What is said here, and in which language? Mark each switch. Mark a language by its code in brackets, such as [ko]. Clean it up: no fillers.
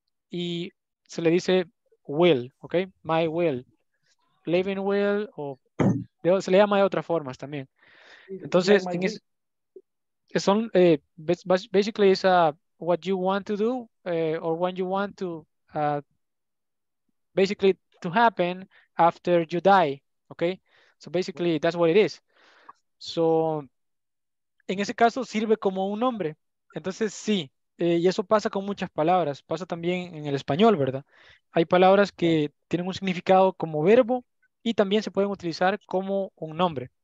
[es] Y se le dice will, okay, [en] my will, living will, [es] o se le llama de otras formas también. Entonces, [en] yeah, basically is what you want to do or when you want to basically to happen after you die, okay? So basically that's what it is. [es] So en ese caso sirve como un nombre. Entonces sí. Y eso pasa con muchas palabras, pasa también en el español, ¿verdad? Hay palabras que tienen un significado como verbo y también se pueden utilizar como un nombre.